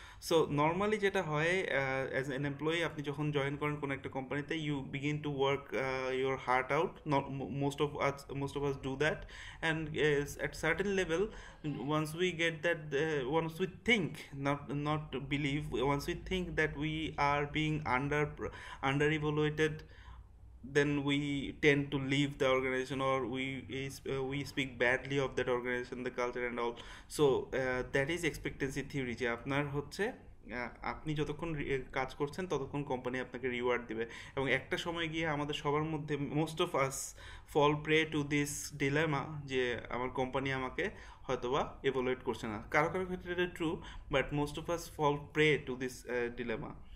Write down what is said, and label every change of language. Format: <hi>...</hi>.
<en>so</en> <bn>normally যেটা হয়,</bn> <en>as an employee</en> <bn>আপনি যখন জয়েন করেন কোনো একটা কোম্পানিতে,</bn> <en>You begin to work your heart out, most of us do that, and at certain level once we get that, once we think, not believe, once we think that we are being under evaluated, then we tend to leave the organization, or we speak badly of that organization, the culture and all. So that is expectancy theory.</en> <bn>Je apnar hocche আপনি যতক্ষণ কাজ করছেন ততক্ষণ company আপনাকে reward দিবে, এবং একটা সময় গিয়ে আমাদের সবার মধ্যে,</bn> <en>most of us, fall prey to this dilemma</en> <bn>যে আমার কোম্পানি আমাকে হয়তোবা এভালুয়েট করছে না। কারো কারো ক্ষেত্রে এটা true,</bn> <en>But most of us fall prey to this dilemma.</en>